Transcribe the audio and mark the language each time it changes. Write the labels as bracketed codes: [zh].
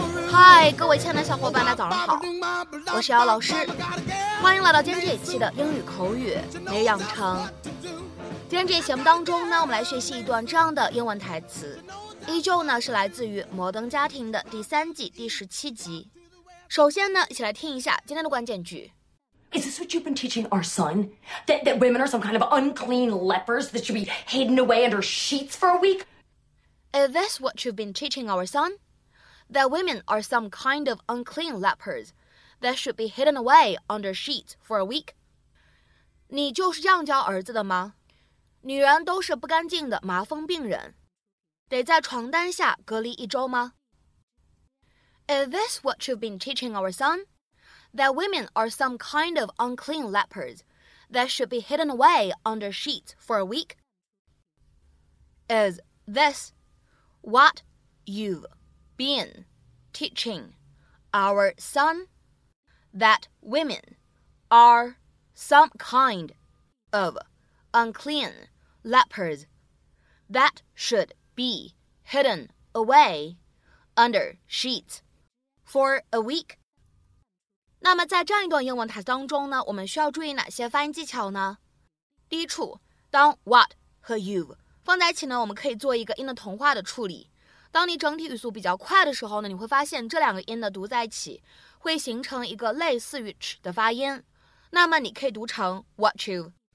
[zh] 嗨，各位亲爱的小伙伴，大家早上好，我是姚老师，欢迎来到今天这一期的英语口语每日养成。今天这一节目当中呢，我们来学习一段这样的英文台词，依旧呢是来自于《摩登家庭》的第三季第十七集。首先呢，一起来听一下今天的关键句。 [en] Is this what you've been teaching our son? That women are some kind of unclean lepers that should be hidden away under sheets for a week? Is this what you've been teaching our son? That women are some kind of unclean lepers that should be hidden away under sheets for a week? [zh] 你就是这样教儿子的吗？女人都是不干净的麻风病人，得在床单下隔离一周吗？ [en] Is this what you've been teaching our son? That women are some kind of unclean lepers that should be hidden away under sheets for a week? Is this what you've been teaching our son? That women are some kind of unclean lepers that should be hidden away under sheets for a week. [zh] 那么在这样一段英文台词当中呢，我们需要注意哪些发音技巧呢？第一处，当 what 和 you've 放在一起呢，我们可以做一个音的同化的处理。当你整体语速比较快的时候呢，你会发现这两个音的读在一起会形成一个类似于 ch 的发音，那么你可以读成 [en] what you've